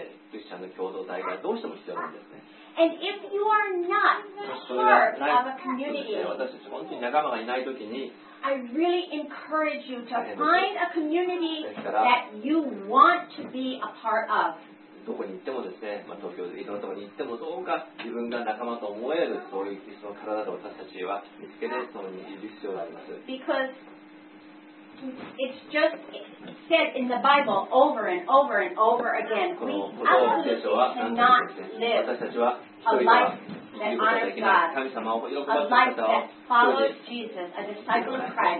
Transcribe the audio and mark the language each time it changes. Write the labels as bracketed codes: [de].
[ja] クリスチャンの共同体がどうしても必要なんですね。 [en] And if you are not part of a community, [ja] 私たち本当に仲間がいないときに、 [en] I really encourage you to find a community that you want to be a part of. [ja] どこに行ってもですね、まあ、東京でいろんなところに行ってもどうか自分が仲間と思えるそういうクリスチャンの体を私たちは見つけて、そのいる必要があります。 [en] Because It's just said in the Bible over and over and over again. We absolutely cannot live a life that honors God, a life that follows Jesus, a disciple of Christ.